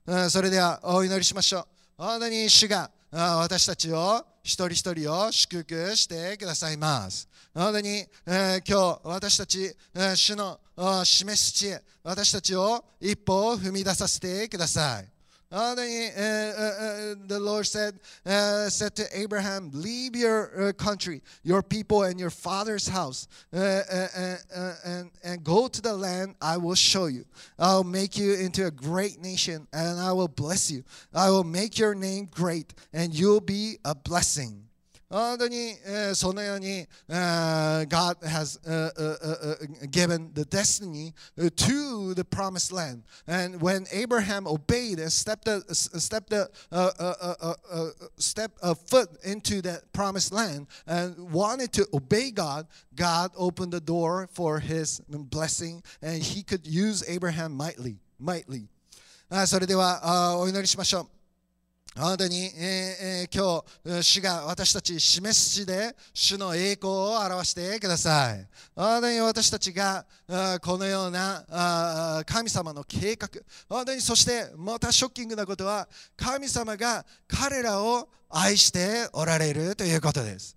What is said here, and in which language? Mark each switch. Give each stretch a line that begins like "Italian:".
Japanese: それではお祈りしましょう。本当に主が私たちを一人一人を祝福してくださいます。本当に今日私たち主の示す地へ私たちを一歩を踏み出させてください。本当に
English: The Lord said, said to Abraham, leave your country, your people and your father's house and go to the land I will show you. I'll make you into a great nation and I will bless you. I will make your name great and you'll be a blessing.
Japanese: 本当にそのように
English: God has given the destiny to the promised land. And when Abraham obeyed and stepped a foot into that promised land and wanted to obey God, God opened the door for his blessing and he could use Abraham mightily.
Japanese: それではお祈りしましょう。本当に、今日主が私たち示す地で主の栄光を表してください。本当に私たちがこのような神様の計画、本当にそしてまたショッキングなことは神様が彼らを愛しておられるということです。